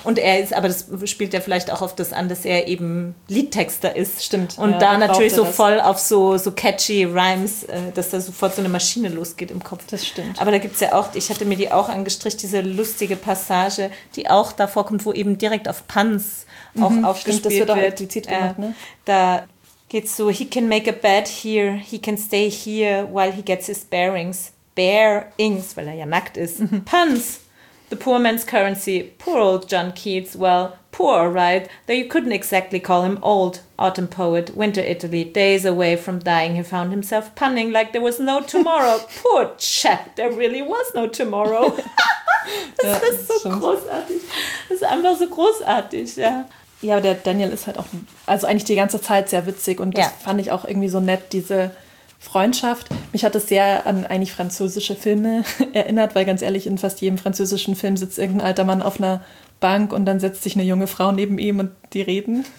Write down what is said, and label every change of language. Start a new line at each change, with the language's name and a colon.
German: Und er ist, aber das spielt ja vielleicht auch auf das an, dass er eben Liedtexter ist. Stimmt. Und ja, da natürlich so das. Voll auf so catchy Rhymes, dass da sofort so eine Maschine losgeht im Kopf. Das stimmt. Aber da gibt es ja auch, ich hatte mir die auch angestrichen, diese lustige Passage, die auch da vorkommt, wo eben direkt auf Puns auch aufgespielt wird. Das wird auch explizit gemacht, ne? Da geht es so,
English: he can make a bed here, he can stay here while he gets his bearings.
German: Bearings, weil er ja nackt ist.
English: Puns. The poor man's currency, poor old John Keats, well, poor, right? Though you couldn't exactly call him old. Autumn poet, winter Italy, days away from dying, he found himself punning like there was no tomorrow. Poor chap, there really was no tomorrow.
German: Das ist so großartig. Das ist einfach so großartig, ja. Ja, aber der Daniel ist halt auch, also eigentlich die ganze Zeit sehr witzig und das fand ich auch irgendwie so nett, diese Freundschaft. Mich hat es sehr an eigentlich französische Filme erinnert, weil ganz ehrlich, in fast jedem französischen Film sitzt irgendein alter Mann auf einer Bank und dann setzt sich eine junge Frau neben ihm und die reden.